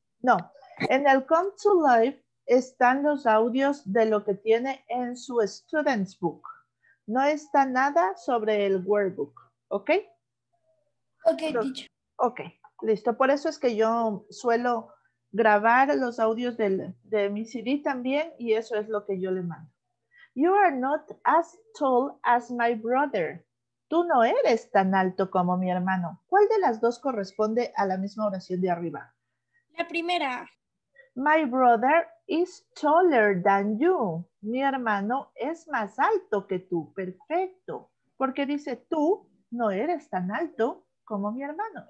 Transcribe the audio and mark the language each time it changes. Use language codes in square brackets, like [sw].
[es] No, en el Come to Life están los audios de lo que tiene en su Students Book. No está nada sobre el Workbook, ¿ok? Ok, dicho. Ok, listo. Por eso es que yo suelo grabar los audios de mi CD también y eso es lo que yo le mando. [en] You are not as tall as my brother. [es] Tú no eres tan alto como mi hermano. ¿Cuál de las dos corresponde a la misma oración de arriba? La primera. [en] My brother is taller than you. [es] Mi hermano es más alto que tú. Perfecto. Porque dice tú no eres tan alto como mi hermano.